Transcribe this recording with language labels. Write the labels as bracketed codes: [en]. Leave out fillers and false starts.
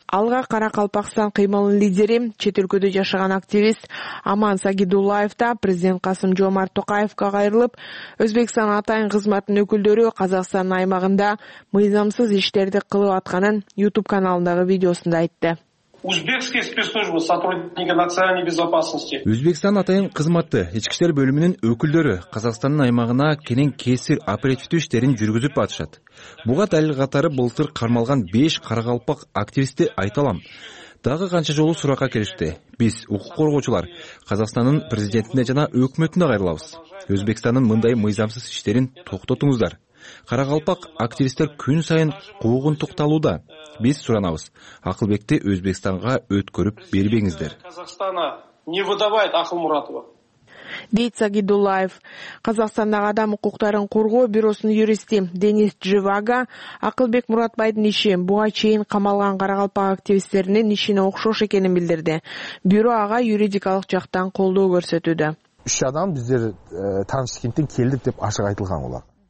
[ky] Алга Калпакстан кыймылынын лидери, чет өлкөдө жашаган активист Аман Сагидуллаев да президент Касым Жомарт Токаевка кайрылып, Өзбекстан атайын кызматынын өкүлдөрү Казакстандын аймагында мыйзамсыз иштерди кылып атканын YouTube каналындагы видеосунда айтты. [ru] Узбекские спецслужбы, сотрудники национальной безопасности. [ky] Өзбекстан атайын кызматы, ички иштер бөлүмүнүн өкүлдөрү Казакстандын аймагына кенен кесир оперативдүү иштерин жүргүзүп атышат. Буга далил катары былтыр кармалган 5 карагалпак активисти айталам. Дагы канча жолу суракка келишти. Биз укук коргоочулар Казакстандын президентине жана өкмөтүнө кайрылабыз. Өзбекстандын мындай мыйзамсыз иштерин токтотуңуздар. Карагалпак активисттер күн сайын куугунтукталууда. Биз суранабыз. Акылбекти Өзбекстанга өткөрүп бербеңиздер. [ru] Казахстана не выдавает Акыл Муратова. [ky] Дейт Сагидуллаев. Казахстандагы адам укуктарын коргоо бюросунун юристи Денис Дживага Акылбек Муратбайдын иши буга чейин камалган карагалпак активисттеринин ишине окшош экенин билдирди. Бюро ага юридикалык жактан колдоо көрсөтүүдө. 3 адам биздер Ташкенттен келдик деп ашык айтылган болот.